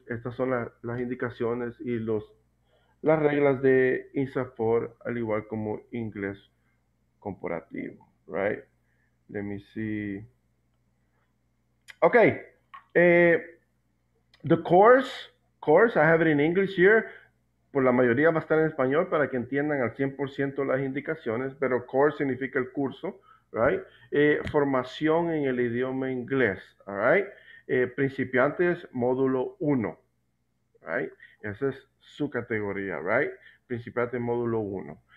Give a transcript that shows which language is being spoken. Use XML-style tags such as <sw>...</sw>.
<es>Estas son las indicaciones y las reglas de INSAFOR, al igual como inglés corporativo, right?</es> <en>Let me see. Okay. The course, I have it in English here.</en> <es>Por la mayoría va a estar en español para que entiendan al 100% las indicaciones, pero course significa el curso, right? Formación en el idioma inglés, all right? Principiantes, módulo 1, right? Esa es su categoría, right? Principiantes, módulo 1.</es>